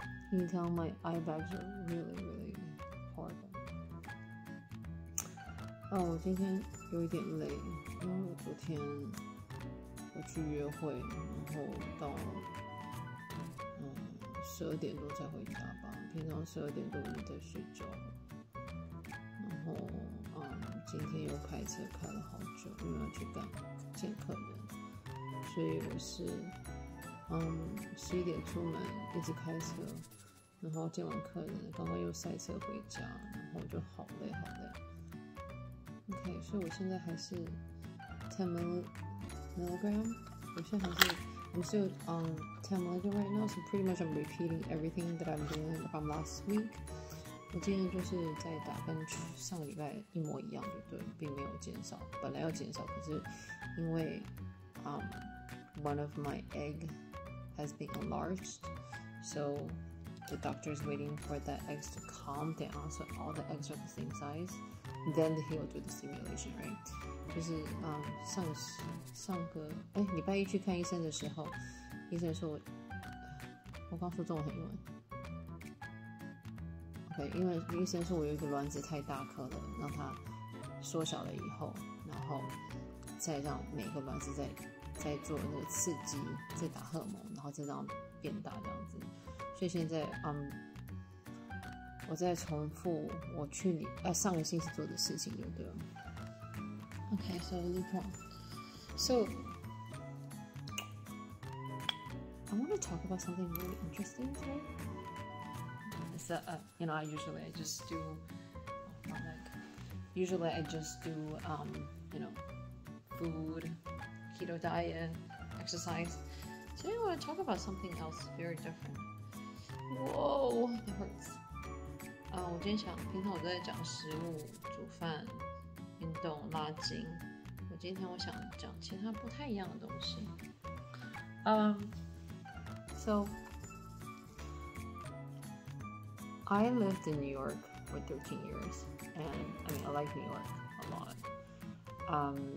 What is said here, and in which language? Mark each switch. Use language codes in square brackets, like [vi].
[en] You can tell my eye bags are really, really horrible. [zh] Oh, 我今天有一点累，因为昨天我去约会，然后到十二点多才回家吧。平常十二点多我就在睡觉，然后今天又开车开了好久，因为要去见客人，所以我是。十一点出门，一直开车，然后见完客人，刚刚又塞车回家，然后就好累好累。 [en] OK， [zh] 所以我现在还是 [en] 10 milligram， [zh] 我现在还是 [en] I'm still on 10 milligram right now， so pretty much I'm repeating everything that I'm doing from last week。 [zh] 我今天就是在打，跟上个礼拜一模一样，就对，并没有减少。本来要减少，可是因为 [en] one of my egg。 Has been enlarged, so the doctor is waiting for that egg to calm down, so all the eggs are the same size. Then he will do the stimulation, right? [zh] 就是礼拜一去看医生的时候，医生说我刚说中文英文。 OK， 因为医生说我有一个卵子太大颗了，让它缩小了以后，然后再让每个卵子在做那个刺激，在打荷尔蒙，然后再让变大这样子。所以现在，我在重复我去年上个星期做的事情，就对了。 [en] OK， so Lupron. So I want to talk about something really interesting today. So, you know, I usually just do, you know, food. Keto diet, exercise. Today I want to talk about something else very different. Whoa, that hurts. [zh] 我今天想，平常我都在讲食物、煮饭、运动、拉筋。我今天我想讲其他不太一样的东西。 [en] So I lived in New York for 13 years, and I mean I like New York a lot.